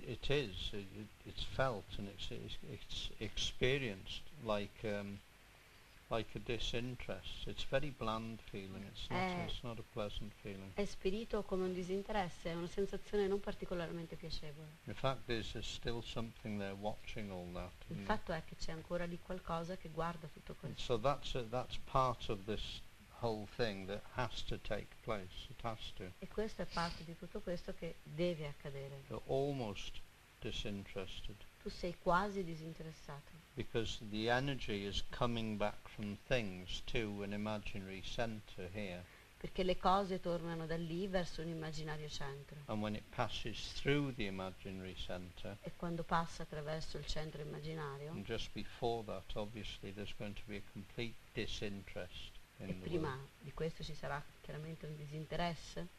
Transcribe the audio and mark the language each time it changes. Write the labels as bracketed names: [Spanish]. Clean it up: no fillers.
[English] it's felt and it's experienced like a disinterest. It's a very bland feeling. It's not a pleasant feeling. [Italian] È spirito come un disinteresse, è una sensazione non particolarmente piacevole. [English] In fact, there's still something there watching all that. [Italian] Il fatto è che c'è ancora lì qualcosa che guarda tutto questo. [English] So that's part of this whole thing that has to take place. It has to. [Italian] E questo è parte di tutto questo che deve accadere. [English] You're almost disinterested. [Italian] Tu sei quasi disinteressato. [English] Because the energy is coming back from things to an imaginary center here. [Italian] Perché le cose tornano da lì verso un immaginario centro. [English] And when it passes through the imaginary center. [Italian] E quando passa attraverso il centro immaginario. [English] And just before that, obviously, there's going to be a complete disinterest in the world. [Italian] E prima di questo ci sarà chiaramente un disinteresse.